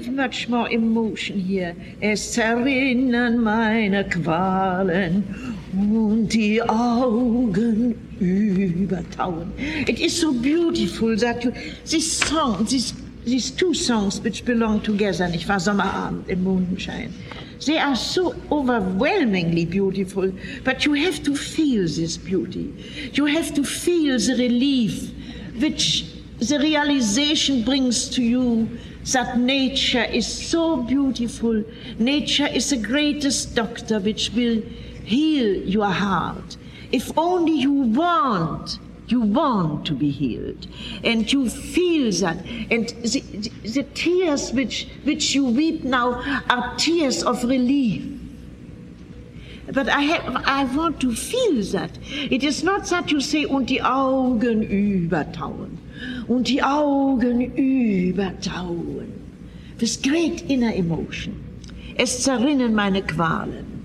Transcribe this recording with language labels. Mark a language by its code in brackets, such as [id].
[en] Much more emotion here. [de] Es erinnern meine Qualen und die Augen übertauen. [en] It is so beautiful that you, this song, these two songs which belong together, [de] nicht wahr, Sommerabend im Mondenschein, [en] they are so overwhelmingly beautiful, but you have to feel this beauty. You have to feel the relief which the realization brings to you that nature is so beautiful. Nature is the greatest doctor which will heal your heart. If only you want to be healed, and you feel that, and the tears which you weep now are tears of relief. But I want to feel that. It is not that you say, [de] und die Augen übertauen. Und die Augen übertauen. [en] This great inner emotion. [de] Es zerrinnen meine Qualen.